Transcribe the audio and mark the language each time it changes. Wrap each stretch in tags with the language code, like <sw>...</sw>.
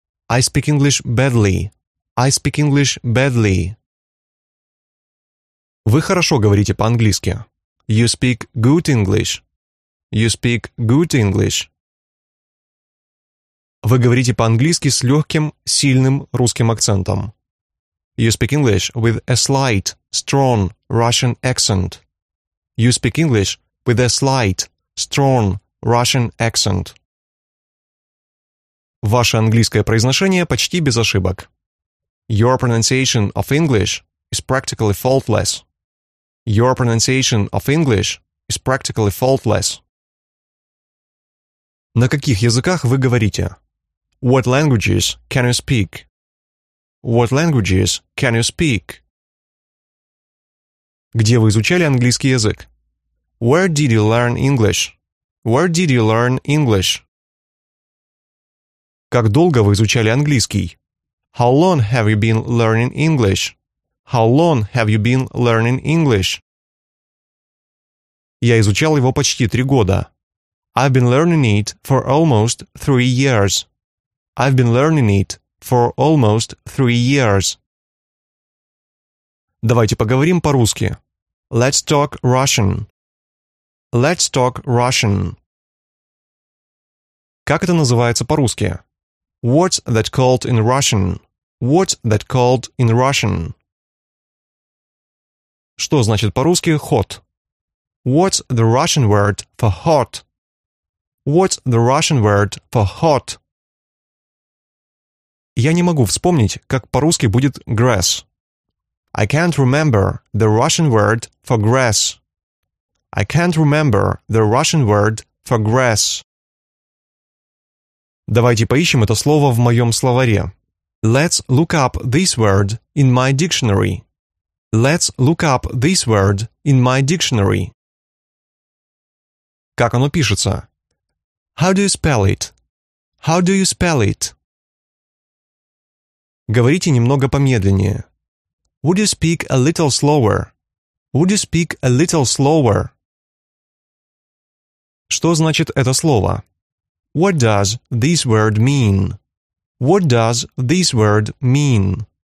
<en>I speak English badly. I speak English badly.</en> <ru>Вы хорошо говорите по-английски.</ru> <en>You speak good English. You speak good English.</en> <ru>Вы говорите по-английски с легким, сильным русским акцентом.</ru> <en>You speak English with a slight, strong Russian accent. You speak English with a slight, strong Russian accent.</en> <ru>Ваше английское произношение почти без ошибок.</ru> <en>Your pronunciation of English is practically faultless. Your pronunciation of English is practically faultless.</en> <ru>На каких языках вы говорите?</ru> <en>What languages can you speak? What languages can you speak?</en> <ru>Где вы изучали английский язык?</ru> <en>Where did you learn English? Where did you learn English?</en> <ru>Как долго вы изучали английский?</ru> <en>How long have you been learning English? How long have you been learning English?</en> <ru>Я изучал его почти 3 года.</ru> <en>I've been learning it for almost 3 years. I've been learning it for almost 3 years.</en> <ru>Давайте поговорим по-русски.</ru> <en>Let's talk Russian. Let's talk Russian.</en> <ru>Как это называется по-русски?</ru> <en>What's that called in Russian? What's that called in Russian?</en> <ru>Что значит по-русски hot?</ru> <en>What's the Russian word for hot? What's the Russian word for hot?</en> <ru>Я не могу вспомнить, как по-русски будет grass.</ru> <en>I can't remember the Russian word for grass. I can't remember the Russian word for grass.</en> <ru>Давайте поищем это слово в моем словаре.</ru> <en>Let's look up this word in my dictionary. Let's look up this word in my dictionary.</en> <ru>Как оно пишется?</ru> <en>How do you spell it? How do you spell it?</en> <ru>Говорите немного помедленнее.</ru> <en>Would you speak a little slower? Would you speak a little slower?</en> <ru>Что значит это слово?</ru> <en>What does this word mean? What does this word mean?</en>